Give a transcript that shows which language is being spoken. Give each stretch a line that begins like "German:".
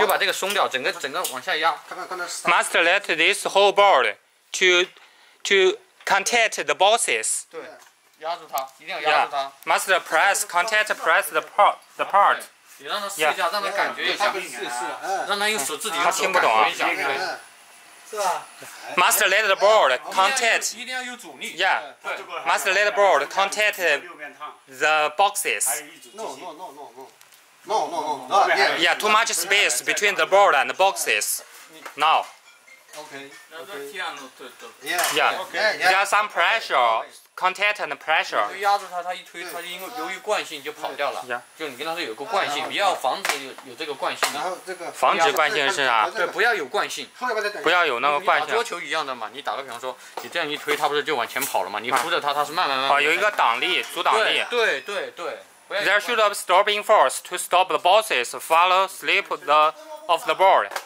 Chinese: Okay. 这个很简单。对。这个都可以。好。开始调整。诶，这个没有上台。对。现在就开始调整了。模具都换完了，就剩下一个调整。点到了没有？前压板，让它一定压住盒子。你跟他说一下这个。这个前压板这里，就把这个松掉，整个往下压。看看，看到。Must
English: let this whole board to contact the bosses.
Chinese: 压住它，一定要压住它。
English: Yeah. Must press the part.
Chinese: 你让他试一下，让他感觉一下。让他用手自己用手感觉一下。
English: Must let the board contact.
Chinese: 一定要有阻力。
English: Yeah. Must let the board contact the boxes. No. Yeah, too much space between the board and the boxes. Now. Okay. Yeah. Okay. Yeah. There's some pressure. Contact and pressure.
Chinese: 你压住它，它一推，它因为由于惯性，你就跑掉了。就你跟它是有个惯性，不要防止有这个惯性。防止惯性是啊。对，不要有惯性。不要有那个惯性。打桌球一样的嘛，你打个比方说，你这样一推，它不是就往前跑了吗？你扶着它，它是慢慢跑。有一个挡力，阻挡力。对。
English: There should have stopping force to stop the bosses follow slip the of the ball.